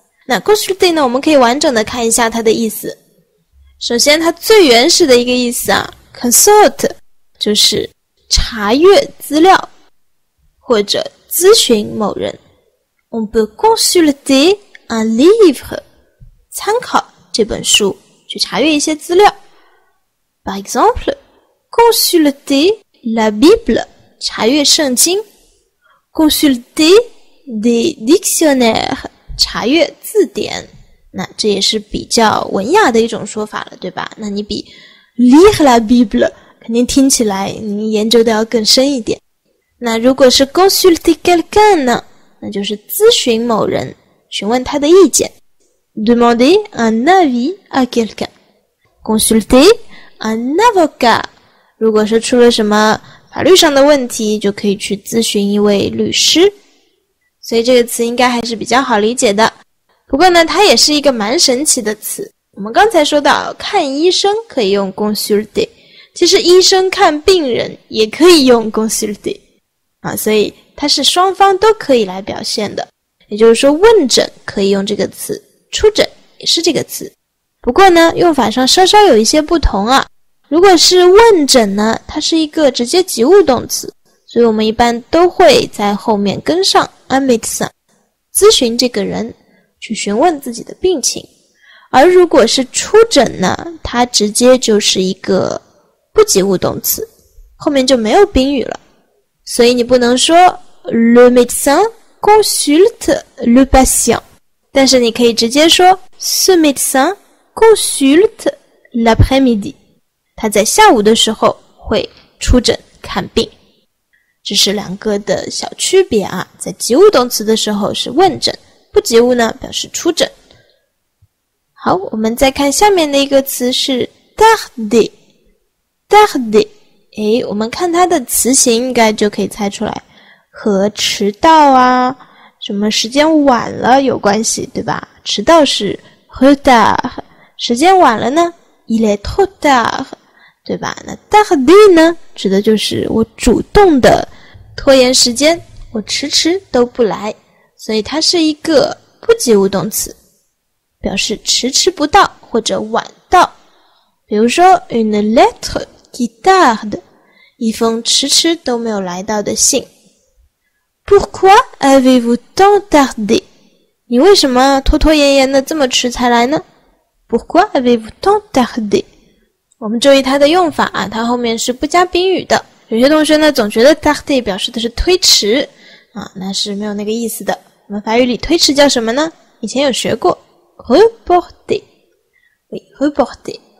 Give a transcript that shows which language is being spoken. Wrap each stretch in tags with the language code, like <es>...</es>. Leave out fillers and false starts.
<zh>那 consulter 呢，我们可以完整的看一下它的意思。首先，它最原始的一个意思啊 ，consult 就是查阅资料或者咨询某人。</zh> <fr>On peut consulter un livre，</fr> <zh>参考这本书，去查阅一些资料。</zh> <fr>Par exemple， consulter La Bible，</fr> <zh>查阅圣经</zh> <fr>，consulter des dictionnaires，</fr> <zh>查阅字典。那这也是比较文雅的一种说法了，对吧？那你比</zh> <fr>lire la Bible</fr> <zh>肯定听起来你研究的要更深一点。那如果是</zh> <fr>consulter quelqu'un</fr> <zh>呢？那就是咨询某人，询问他的意见 ，</zh> <fr>demander un avis à quelqu'un， consulter un avocat。</fr> <zh>如果是出了什么法律上的问题，就可以去咨询一位律师。所以这个词应该还是比较好理解的。不过呢，它也是一个蛮神奇的词。我们刚才说到看医生可以用 consulter， 其实医生看病人也可以用 consulter 啊，所以它是双方都可以来表现的。也就是说，问诊可以用这个词，出诊也是这个词。不过呢，用法上稍稍有一些不同啊。如果是问诊呢，它是一个直接及物动词，所以我们一般都会在后面跟上</zh> <fr>un médecin，</fr> <zh>咨询这个人，去询问自己的病情。而如果是出诊呢，它直接就是一个不及物动词，后面就没有宾语了。所以你不能说</zh> <fr>le médecin consulte le patient，</fr> <zh>但是你可以直接说</zh> <fr>ce médecin consulte l'après-midi。</fr> <zh>他在下午的时候会出诊看病，这是两个的小区别啊。在及物动词的时候是问诊，不及物呢表示出诊。好，我们再看下面的一个词是 tarder。哎，我们看它的词形应该就可以猜出来，和迟到啊，什么时间晚了有关系，对吧？迟到是 retard， 时间晚了呢</zh> <fr>il est trop tard。</fr> <zh>对吧？那 tarder 呢，指的就是我主动的拖延时间，我迟迟都不来，所以它是一个不及物动词，表示迟迟不到或者晚到。比如说</zh> <fr>une lettre qui tarde，</fr> <zh>一封迟迟都没有来到的信。</zh> <fr>Pourquoi avez-vous tant tardé？</fr> <zh>你为什么拖拖延延的这么迟才来呢 ？</zh> <fr>Pourquoi avez-vous tant tardé？</fr> <zh>我们注意它的用法啊，它后面是不加宾语的。有些同学呢，总觉得 tardy 表示的是推迟啊，那是没有那个意思的。我们法语里推迟叫什么呢？以前有学过 reporter，reporter。</zh>